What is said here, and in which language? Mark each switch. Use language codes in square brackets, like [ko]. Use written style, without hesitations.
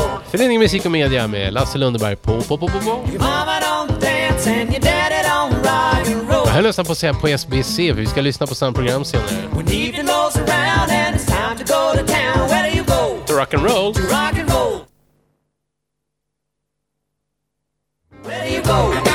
[sv] Föreningen Musik och Media med Lasse Lundberg på. [en] Your mama don't dance and your daddy don't rock and roll. [sv] Jag höll nästan på att säga på SBC, för vi ska lyssna på samma program senare. [en] When evening rolls around and it's time to go to town, where do you go? To rock and roll. To rock and roll. Where do you go?